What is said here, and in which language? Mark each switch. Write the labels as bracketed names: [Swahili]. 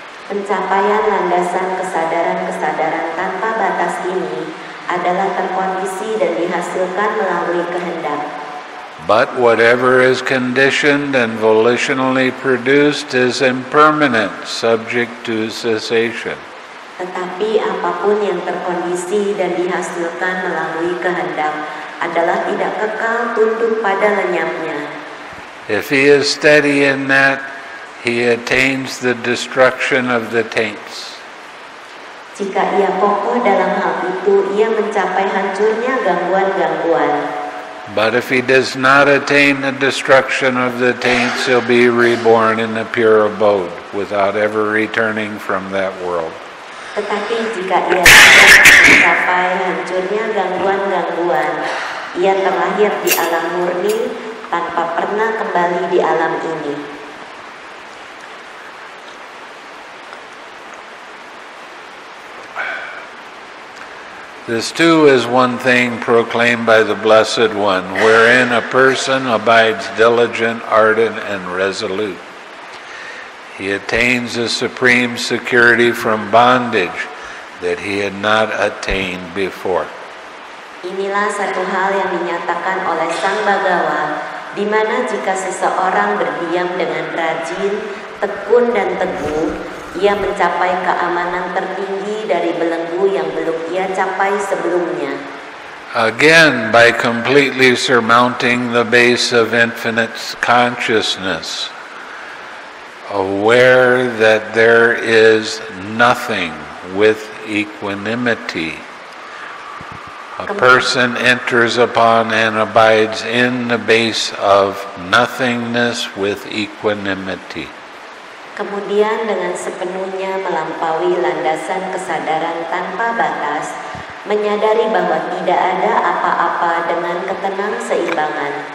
[Indonesian] Pencapaian landasan kesadaran-kesadaran tanpa batas ini adalah terkondisi dan dihasilkan melalui kehendak. [English] But whatever is conditioned and volitionally produced is impermanent, subject to cessation. [Indonesian] Tetapi apapun yang terkondisi dan dihasilkan melalui kehendak adalah tidak kekal, tunduk pada lenyapnya. [English] If he is steady in that, he attains the destruction of the taints. [Indonesian] Jika ia kokoh dalam hal itu, ia mencapai hancurnya gangguan-gangguan. [English] But if he does not attain the destruction of the taints, he'll be reborn in the pure abode without ever returning from that world. [Indonesian] Tetapi jika ia mencapai hancurnya gangguan-gangguan, ia terlahir di alam murni tanpa pernah kembali di alam ini. [English] This too is one thing proclaimed by the Blessed One, wherein a person abides diligent, ardent, and resolute. He attains a supreme security from bondage that he had not attained before. [Indonesian] Inilah satu hal yang dinyatakan oleh Sang Bhagawa, di mana jika seseorang berdiam dengan rajin, tekun, dan teguh, ia mencapai keamanan tertinggi dari belenggu yang belum ia capai sebelumnya. [English] Again, by completely surmounting the base of infinite consciousness, aware that there is nothing with equanimity, a person enters upon and abides in the base of nothingness with equanimity. [Indonesian] Kemudian dengan sepenuhnya melampaui landasan kesadaran tanpa batas, menyadari bahwa tidak ada apa-apa dengan ketenang seimbangan.